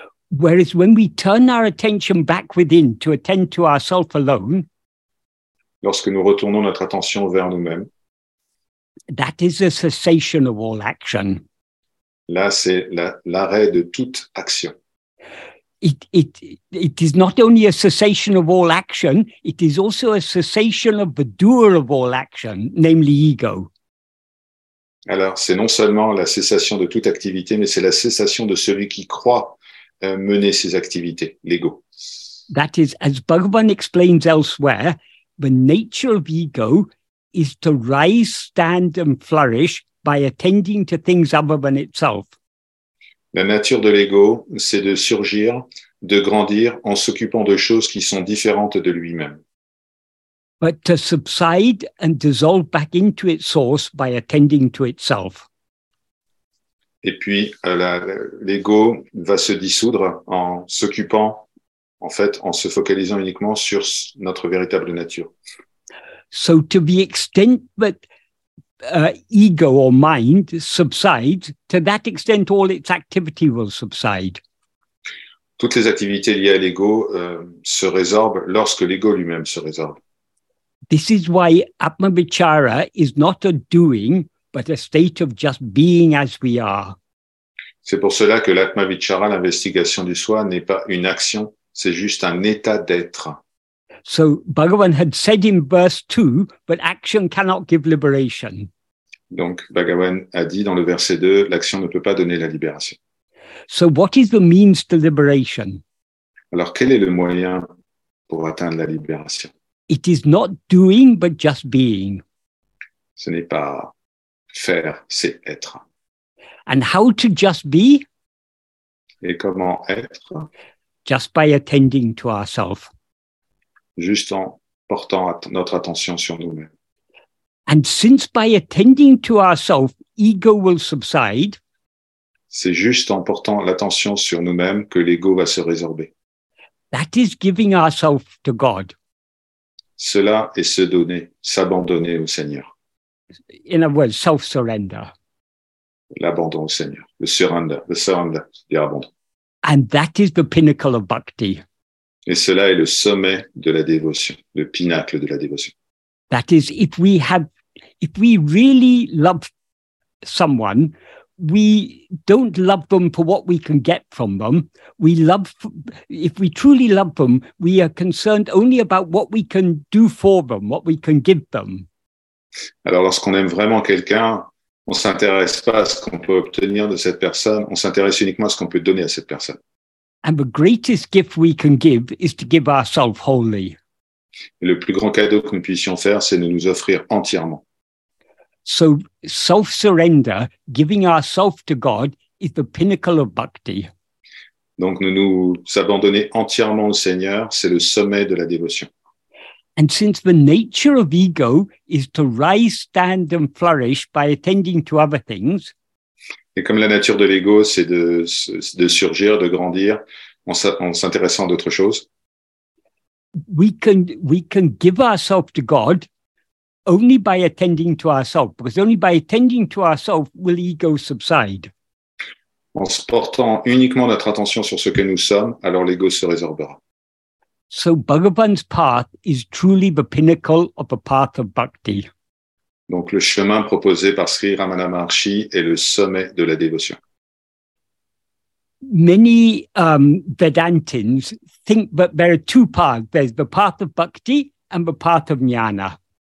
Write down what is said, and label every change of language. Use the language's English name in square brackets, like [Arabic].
[English] Whereas when we turn our attention back within to attend to ourselves alone, [French] lorsque nous retournons notre attention vers nous-mêmes, [English] that is a cessation of all action. [French] Là, c'est l'arrêt de toute action. [English] It is not only a cessation of all action, it is also a cessation of the doer of all action, namely ego. [French] Alors, c'est non seulement la cessation de toute activité, mais c'est la cessation de celui qui croit mener ses activités, l'ego. [English] That is, as Bhagavan explains elsewhere, the nature of ego is to rise, stand, and flourish by attending to things other than itself. [French] La nature de l'ego, c'est de surgir, de grandir en s'occupant de choses qui sont différentes de lui-même. [English] But to subside and dissolve back into its source by attending to itself. [French] Et puis, l'ego va se dissoudre en s'occupant, en fait, en se focalisant uniquement sur notre véritable nature. [English] So to the extent that ego or mind subsides, to that extent all its activity will subside. [French] Toutes les activités liées à l'ego se résorbent lorsque l'ego lui-même se résorbe. [English] This is why Atmavichara is not a doing, but a state of just being as we are. [French] C'est pour cela que l'Atmavichara, l'investigation du soi, n'est pas une action, c'est juste un état d'être. [English] So Bhagavan had said in verse 2 that action cannot give liberation. [French] Donc Bhagavan a dit dans le verset 2, l'action ne peut pas donner la libération. [English] So what is the means to liberation? [French] Alors quel est le moyen pour atteindre la libération? [English] It is not doing but just being. [French] Ce n'est pas faire, c'est être. [English] And how to just be? [French] Et comment être? [English] Just by attending to ourselves. [French] Juste en portant notre attention sur nous-mêmes. [English] And since by attending to ourselves, ego will subside. [French] C'est juste en portant l'attention sur nous-mêmes que l'ego va se résorber. [English] That is giving ourselves to God. [French] Cela est se donner, s'abandonner au Seigneur. [English] In other words, self-surrender. [French] L'abandon au Seigneur. [English] The surrender, [French] c'est-à-dire abandon. [English] And that is the pinnacle of bhakti. [French] Et cela est le sommet de la dévotion, le pinacle de la dévotion. [English] That is, if we really love someone, we don't love them for what we can get from them. If we truly love them, we are concerned only about what we can do for them, what we can give them. [French] Alors, lorsqu'on aime vraiment quelqu'un, on ne s'intéresse pas à ce qu'on peut obtenir de cette personne, on s'intéresse uniquement à ce qu'on peut donner à cette personne. [English] And the greatest gift we can give is to give ourselves wholly. [French] Le plus grand cadeau que nous puissions faire, c'est de nous offrir entièrement. [English] So self-surrender, giving ourselves to God, is the pinnacle of bhakti. [French] Donc nous abandonner entièrement au Seigneur, c'est le sommet de la dévotion. [English] And since the nature of ego is to rise, stand and flourish by attending to other things, [French] et comme la nature de l'ego, c'est de surgir, de grandir en s'intéressant à d'autres choses. [English] We can give ourselves to God only by attending to ourselves, because only by attending to ourselves will ego subside. [French] En se portant uniquement notre attention sur ce que nous sommes, alors l'ego se résorbera. [English] So Bhagavan's path is truly the pinnacle of the path of bhakti. [French] Donc le chemin proposé par Sri Ramana Maharshi est le sommet de la dévotion. [English] Many Vedantins think that there are two paths. There's the path of bhakti and the path of jnana.